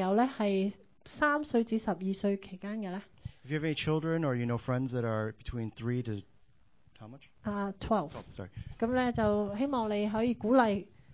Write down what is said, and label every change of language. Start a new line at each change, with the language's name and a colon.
Cantonese: 咁所以如果你有小朋友咧，係3歲至12歲期間嘅咧。
English: If you have any children or you know friends that are between 3 to how much? 12. Sorry.
Cantonese: 咁咧就希望你可以鼓勵。